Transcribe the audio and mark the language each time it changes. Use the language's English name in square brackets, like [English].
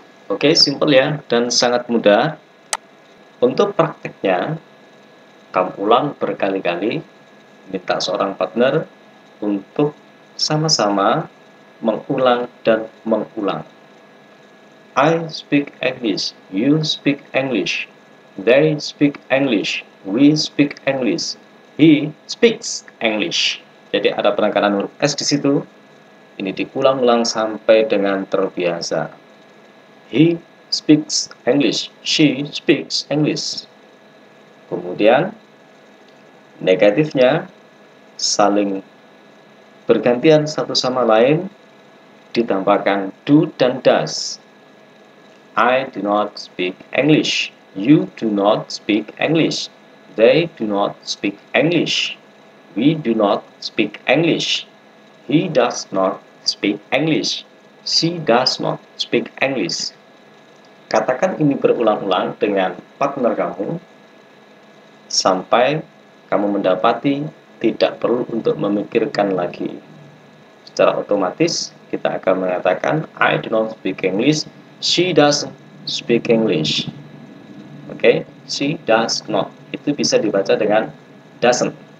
[Indonesian] Oke, simple ya dan sangat mudah. Untuk prakteknya, kamu ulang berkali-kali, minta seorang partner untuk sama-sama mengulang dan mengulang. [English] I speak English, you speak English, they speak English, we speak English, he speaks English. [Indonesian] Jadi ada penekanan huruf S di situ. Ini diulang-ulang sampai dengan terbiasa. [English] He speaks English. She speaks English. [Indonesian] Kemudian, negatifnya, saling bergantian satu sama lain, ditambahkan do dan does. [English] I do not speak English. You do not speak English. They do not speak English. We do not speak English. He does not speak English. She does not speak English. [Indonesian] Katakan ini berulang-ulang dengan partner kamu sampai kamu mendapati tidak perlu untuk memikirkan lagi. Secara otomatis kita akan mengatakan [English] I do not speak English, [Indonesian] she doesn't speak English. [English] Oke, she does not. [Indonesian] Itu bisa dibaca dengan doesn't.